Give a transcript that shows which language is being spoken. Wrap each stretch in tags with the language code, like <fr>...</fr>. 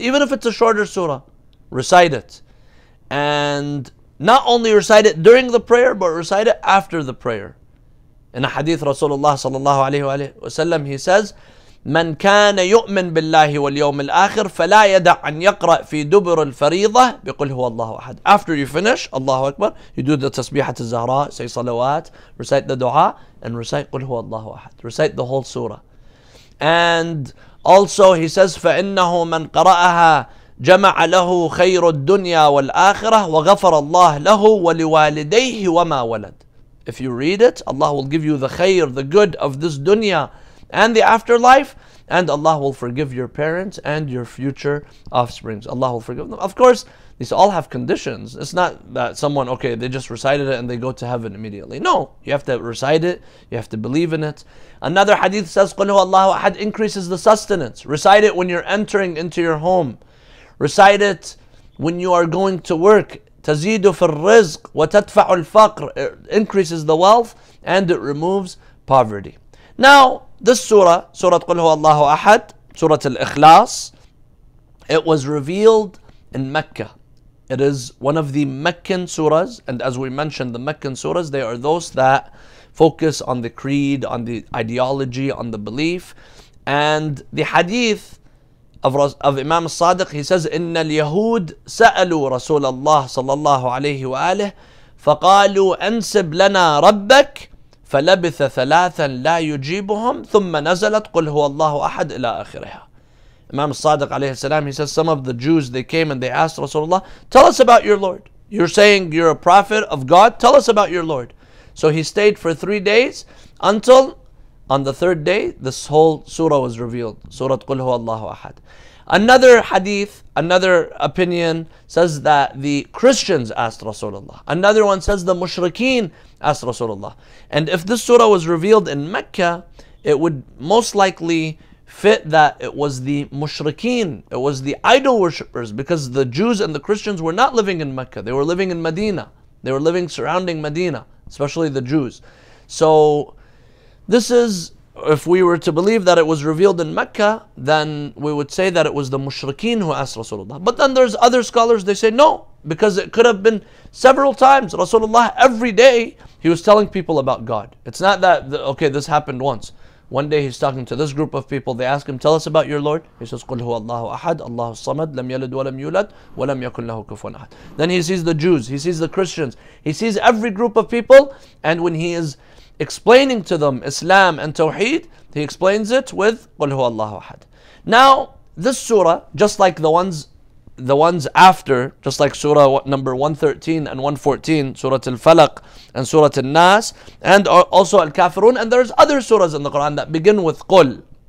<en>Even if it's a shorter surah, recite it. And not only recite it during the prayer, but recite it after the prayer. In a hadith, Rasulullah sallallahu alayhi wa sallam, he says,</en> <ar>من كان يؤمن بالله واليوم الآخر فلا يدع أن يقرأ في دبر الفريضة بقول هو الله أحد.</ar> <en>After you finish, Allahu Akbar, you do the تسبيحة الزهراء, say salawat, recite the dua, and recite</en> <ar>قل هو الله أحد.</ar> <en>Recite the whole surah. And also he says,</en> <ar>فإنه من قرأها جمع له خير الدنيا والآخرة وغفر الله له ولوالديه وما ولد.</ar> <en>If you read it, Allah will give you the خير, the good of this dunya and the afterlife, and Allah will forgive your parents and your future offsprings. Allah will forgive them. Of course, these all have conditions. It's not that someone, okay, they just recited it and they go to heaven immediately. No, you have to recite it. You have to believe in it. Another hadith says,</en> <ar>قُلْ هُوَ اللَّهُ أَحَدٌ</ar> <en>increases the sustenance. Recite it when you're entering into your home. Recite it when you are going to work.</en> <ar>تَزِيدُ فِي الرِّزْقِ وَتَدْفَعُ الْفَقْرِ.</ar> <en>It increases the wealth and it removes poverty. Now, this surah, Surah Qul Huwa Allahu Ahad, Surah Al-Ikhlas, it was revealed in Mecca. It is one of the Meccan surahs, and as we mentioned, the Meccan surahs, they are those that focus on the creed, on the ideology, on the belief. And the hadith of Imam al-Sadiq, he says,</en> <ar>إِنَّ الْيَهُودِ سَأَلُوا رَسُولَ اللَّهِ صَلَى اللَّهُ عَلَيْهِ وَآلِهِ فَقَالُوا أَنْسِبْ لَنَا رَبَّكَ فَلَبِثَ ثَلَاثًا لَا يُجِيبُهُمْ ثُمَّ نَزَلَتْ قُلْ هُوَ اللَّهُ أَحَدْ إِلَىٰ آخِرِهَا.</ar> <en>Imam al-Sadiq alayhi salam, he says, some of the Jews, they came and they asked Rasulullah, tell us about your Lord. You're saying you're a prophet of God, tell us about your Lord. So he stayed for 3 days until on the third day, this whole surah was revealed. Surah Qul Huwa Allahu Ahad. Another hadith, another opinion says that the Christians asked Rasulullah. Another one says the mushrikeen asked Rasulullah. And if this surah was revealed in Mecca, it would most likely fit that it was the mushrikeen, it was the idol worshippers, because the Jews and the Christians were not living in Mecca. They were living in Medina. They were living surrounding Medina, especially the Jews. So this is, if we were to believe that it was revealed in Mecca, then we would say that it was the mushrikeen who asked Rasulullah. But then there's other scholars, they say no, because it could have been several times. Rasulullah, every day, he was telling people about God. It's not that, okay, this happened once. One day he's talking to this group of people, they ask him, tell us about your Lord. He says,</en> <ar>قُلْ هُوَ اللَّهُ أَحَدْ اللَّهُ الصَّمَدْ لَمْ يَلِدْ وَلَمْ يُولَدْ وَلَمْ يَكُنْ لَهُ كُفُوًا أَحَدْ.</ar> <en>Then he sees the Jews, he sees the Christians, he sees every group of people, and when he is explaining to them Islam and Tawheed, he explains it with</en> <ar>قُلْ هُوَ اللَّهُ أَحَدْ.</ar> <en>Now, this surah, just like the ones after, just like surah number 113 and 114, surah al-Falaq and surah al-Nas, and also al-Kafirun, and there's other surahs in the Quran that begin with qul.</en>